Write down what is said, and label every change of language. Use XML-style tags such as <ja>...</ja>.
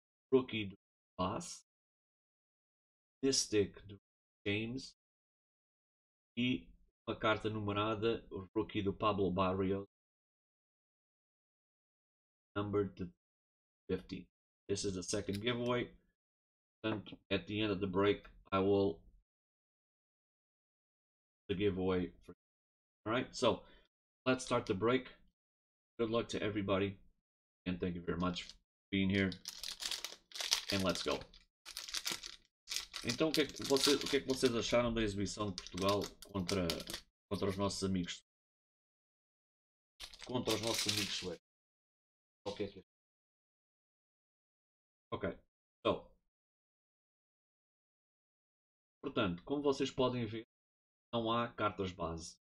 <en>Rookie Pass. Mystic James.</en> <pt>E uma carta numerada, o rookie do Pablo Barrios,</pt> <en>numbered to 50. This is the second giveaway. And at the end of the break, I will the giveaway for you. Alright, so let's start the break. Good luck to everybody. And thank you very much for being here. And let's go.</en> <pt>Então, o que é que vocês acharam da exibição de Portugal contra os nossos amigos? Contra os nossos amigos suecos. Ok. Ok. Então. So, portanto, como vocês podem ver, não há cartas base.</pt>